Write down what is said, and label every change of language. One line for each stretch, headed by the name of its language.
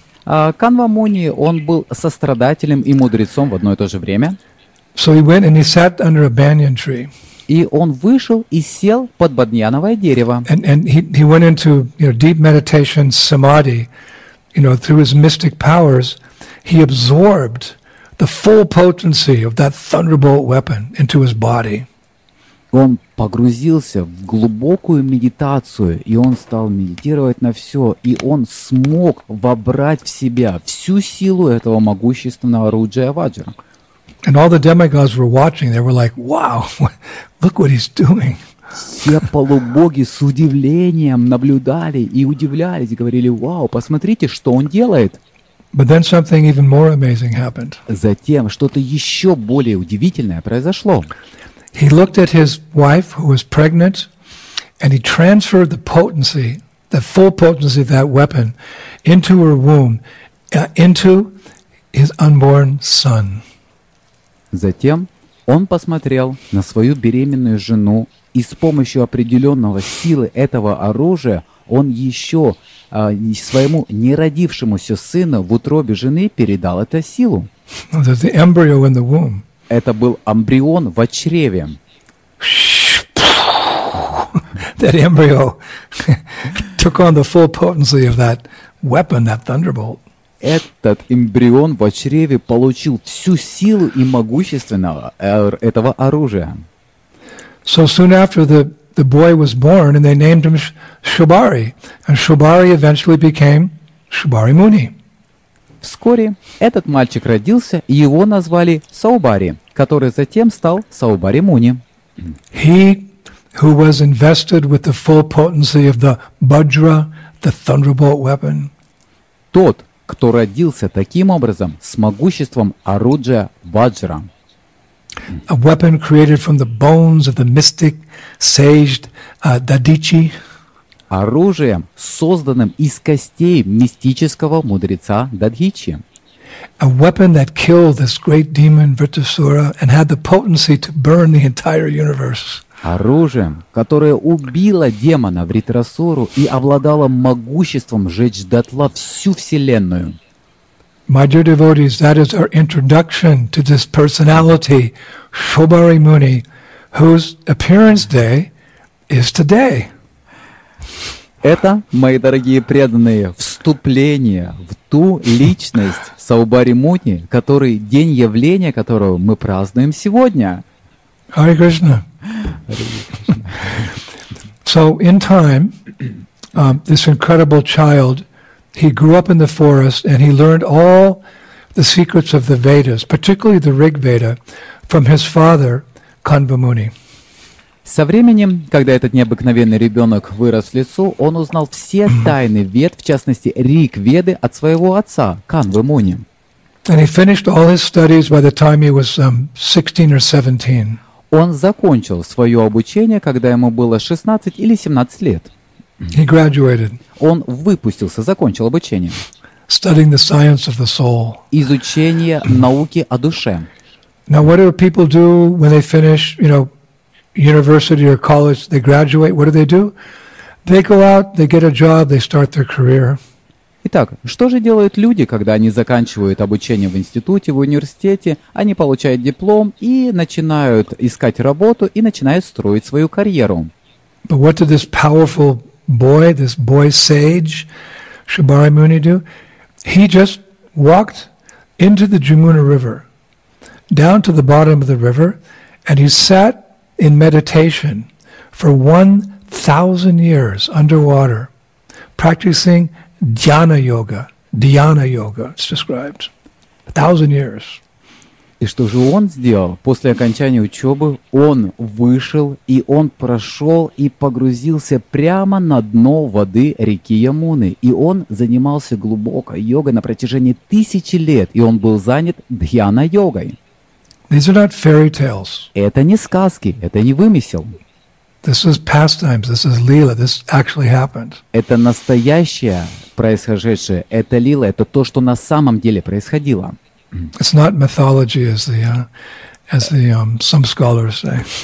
Russian: Канвамуни, он был сострадателем и мудрецом в одно и то же время.
English: So he went and he sat under a banyan tree.
Russian: И он вышел и сел под бадьяновое дерево.
English: And he went into, you know, deep meditation, samadhi. You know, through his mystic powers, he absorbed the full potency of that thunderbolt weapon into his body.
Russian: Он погрузился в глубокую медитацию, и он стал медитировать на все, и он смог вобрать в себя всю силу этого могущественного оружия Ваджра.
English: And all the demigods were watching. They were like, "Wow, look what he's doing!"
Russian: Все полубоги с удивлением наблюдали и удивлялись, говорили, "Wow, посмотрите, что он делает!"
English: But then something even more amazing happened.
Russian: Затем что-то еще более удивительное произошло.
English: He looked at his wife, who was pregnant, and he transferred the potency, the full potency of that weapon, into her womb, into his unborn son.
Russian: Затем он посмотрел на свою беременную жену, и с помощью определенного силы этого оружия он еще своему неродившемуся сыну в утробе жены передал эту силу.
English: The embryo in the womb.
Russian: Это был эмбрион в чреве.
English: That embryo took on the full potency of that weapon, that thunderbolt.
Russian: Этот эмбрион в чреве получил всю силу и могущественного этого оружия.
English: So soon after the boy was born, and they named him Shibari, and Shibari eventually became Shibari Muni.
Russian: Вскоре этот мальчик родился, и его назвали Саубари, который затем стал Саубари Муни.
English: He who was invested with the full potency of the Bajra, the thunderbolt weapon.
Russian: Тот, кто родился таким образом с могуществом оружия Ваджра.
English: A weapon created from the bones of the mystic sage Dadichi.
Russian: Оружием, созданным из костей мистического мудреца Дадхичи.
English: A weapon that killed this great demon Vritasura and had the potency to burn the entire universe.
Russian: Оружием, которое убило демона Вритрасуру и обладало могуществом сжечь дотла всю Вселенную.
English: My dear devotees, that is our introduction to this personality, Shibari Muni, whose appearance day is today.
Russian: Это, мои дорогие преданные, вступление в ту личность Саубари Муни, который день явления которого мы празднуем сегодня.
English: Hare Krishna. So in time, this incredible child, he grew up in the forest and he learned all the secrets of the Vedas, particularly the Rig Veda, from his father, Kanvamuni.
Russian: Со временем, когда этот необыкновенный ребенок вырос в лесу, он узнал все тайны Вед, в частности Риг Веды, от своего отца, Канвамуни.
English: And he finished all his studies by the time he was 16 or 17.
Russian: Он закончил свое обучение, когда ему было 16 или 17 лет.
English: He graduated.
Russian: Он выпустился, закончил обучение.
English: Studying the science of the soul.
Russian: Изучение науки о душе.
English: Now, what do people do when they finish, you know, university or college? They graduate. What do? They go out, they get a job, they start their career.
Russian: Итак, что же делают люди, когда они заканчивают обучение в институте, в университете, они получают диплом и начинают искать работу и начинают строить свою карьеру?
English: But what did this powerful boy, this boy sage, Shibari Muni do? He just walked into the Jamuna River, down to the bottom of the river, and he sat in meditation for 1,000 years underwater, practicing dhyana yoga. Dhyana yoga, it's described. 1,000 years.
Russian: И что же он сделал? После окончания учебы он вышел, и он прошел и погрузился прямо на дно воды реки Ямуны. И он занимался глубокой йогой на протяжении 1000 лет, и он был занят дхьяна-йогой.
English: These are not fairy tales.
Russian: Это не сказки, это не вымысел.
English: This is pastimes, this is lila, this actually happened.
Russian: Это настоящее происходящее, это лила, это то, что на самом деле происходило.
English: It's not mythology, as the some scholars say.